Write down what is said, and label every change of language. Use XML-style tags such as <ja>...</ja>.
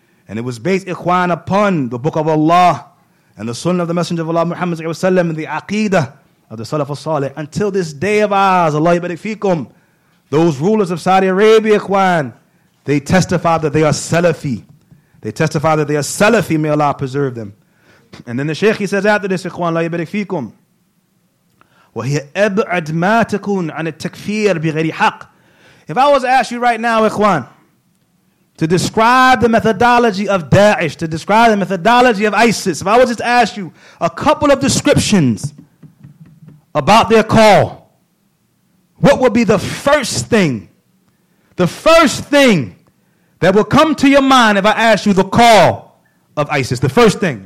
<en>And it was based, Ikhwan, upon the Book of Allah and the Sunnah of the Messenger of Allah, Muhammad sallallahu alayhi wa sallam, and the Aqeedah of the Salaf al-Salih. Until this day of ours, Allah yabarakum, those rulers of Saudi Arabia, Ikhwan, they testify that they are Salafi. They testify that they are Salafi. May Allah preserve them. And then the Shaykh, he says after this, Ikhwan,</en> <ar>لا يبرك فيكم وهي أبعد ما تكون عن التكفير بغير حق.</ar> <en>If I was to ask you right now, Ikhwan, to describe the methodology of Daesh, to describe the methodology of ISIS, if I was just to ask you a couple of descriptions about their call, what would be the first thing that will come to your mind if I ask you the call of ISIS? The first thing.</en>